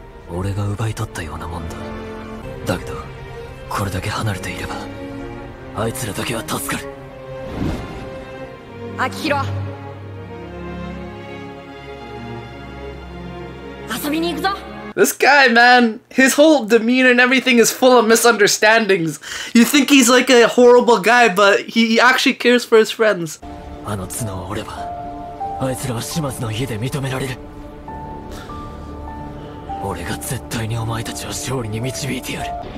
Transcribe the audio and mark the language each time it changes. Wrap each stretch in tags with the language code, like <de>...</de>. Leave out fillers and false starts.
<ja>俺が奪い取ったようなもんだ。だけどこれだけ離れていればあいつらだけは助かる。アキヒロ、遊びに行くぞ。</ja> <en>This guy, man, his whole demeanor and everything is full of misunderstandings. You think he's like a horrible guy, but he actually cares for his friends.</en> <ja>あの角を折ればあいつらは始末の家で認められる。俺が絶対にお前たちを勝利に導いてやる。</ja>